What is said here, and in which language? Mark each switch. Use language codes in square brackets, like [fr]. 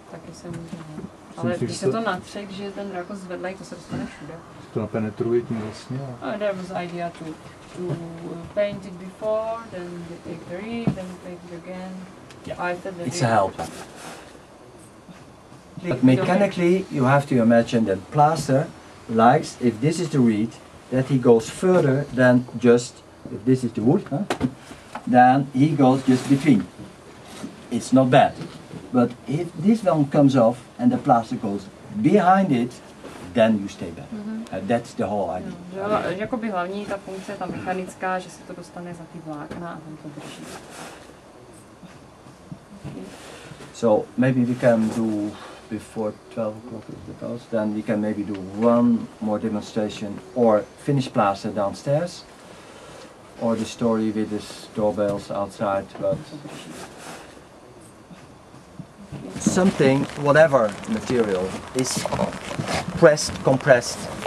[cs] Taky se může, ale myslím, když se to natře, když je ten rákos zvedlej, to se dostane všude. To napenetruje tím vlastně. [en] There was idea to paint it before, then take the reed, then paint it again. Yeah. It's a help. But mechanically you have to imagine that plaster likes, if this is the reed, that he goes further than just if this is the wood, huh? Then he goes just between. It's not bad. But if this one comes off and the plaster goes behind it, then you stay back. Mm-hmm. That's the whole idea. [cs] Jo, jakoby hlavní ta funkce, ta mechanická, že se to dostane za ty vlákna a tam to drží. [en] So maybe we can do before 12 o'clock at the house, then we can maybe do one more demonstration or finish plaster downstairs. Or the story with the doorbells outside, but something, whatever material, is pressed, compressed.